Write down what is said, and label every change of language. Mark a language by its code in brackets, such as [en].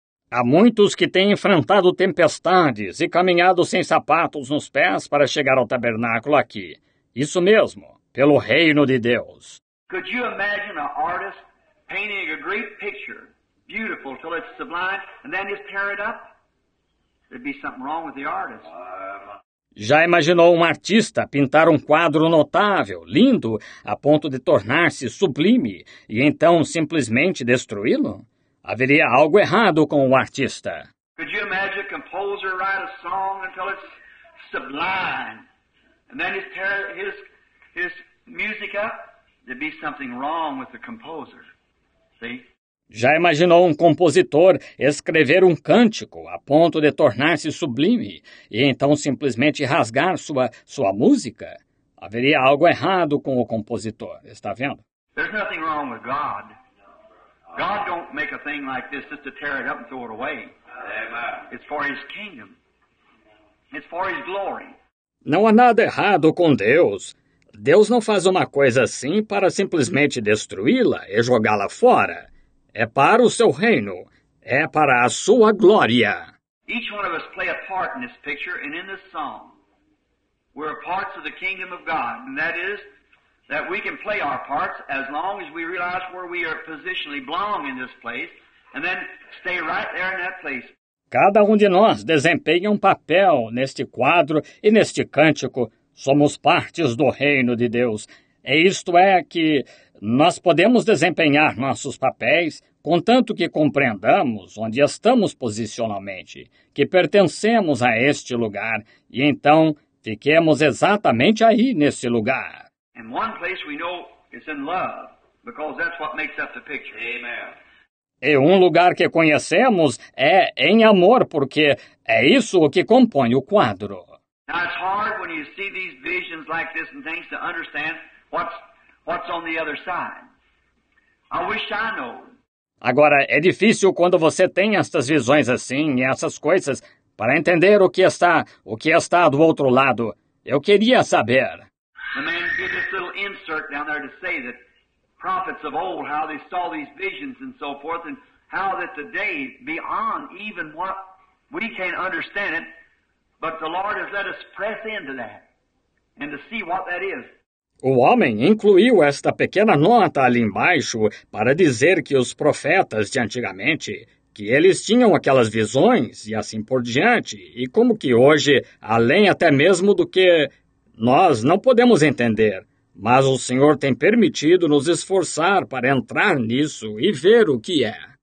[pt] Há muitos que têm enfrentado tempestades e caminhado sem sapatos nos pés para chegar ao tabernáculo aqui. Isso mesmo, pelo reino de Deus. [en] Could you imagine an artist painting a great picture, beautiful till it's sublime, and then just tear it up? There'd be something wrong with the artist. [pt] Já imaginou um artista pintar um quadro notável, lindo, a ponto de tornar-se sublime, e então simplesmente destruí-lo? Haveria algo errado com o artista. [en] Could you imagine a composer write a song until it's sublime, and then just tear his music up? There'd be something wrong with the composer. See? [pt] Já imaginou um compositor escrever um cântico a ponto de tornar-se sublime e então simplesmente rasgar sua música? Haveria algo errado com o compositor, está vendo? [en] There's nothing wrong with God. God don't make a thing like this just to tear it up and throw it away. It's for his kingdom. It's for his glory. [pt] Não há nada errado com Deus. Deus não faz uma coisa assim para simplesmente destruí-la e jogá-la fora. É para o seu reino. É para a sua glória. [en] Each one of us play a part in this picture and in this song. We're parts of the kingdom of God. And that is that we can play our parts as long as we realize where we are positionally belong in this place and then stay right there in that place. [pt] Cada um de nós desempenha um papel neste quadro e neste cântico. Somos partes do reino de Deus. E isto é que nós podemos desempenhar nossos papéis, contanto que compreendamos onde estamos posicionalmente, que pertencemos a este lugar, e então fiquemos exatamente aí, nesse lugar. [en] In one place we know it's in love, because that's what makes up the picture. Amen. [pt] E um lugar que conhecemos é em amor, porque é isso o que compõe o quadro. [en] Now it's hard when you see these visions like this and things to understand what's on the other side. I wish I knew. [pt] Agora, é difícil quando você tem estas visões assim e essas coisas para entender o que está do outro lado. Eu queria saber. [en] The man did this little insert down there to say that prophets of old, how they saw these visions and so forth, and how that today, beyond even what we can't understand it, but the Lord has let us press into that and to see what that is. [pt] O homem incluiu esta pequena nota ali embaixo para dizer que os profetas de antigamente, que eles tinham aquelas visões e assim por diante, e como que hoje, além até mesmo do que nós não podemos entender, mas o Senhor tem permitido nos esforçar para entrar nisso e ver o que é.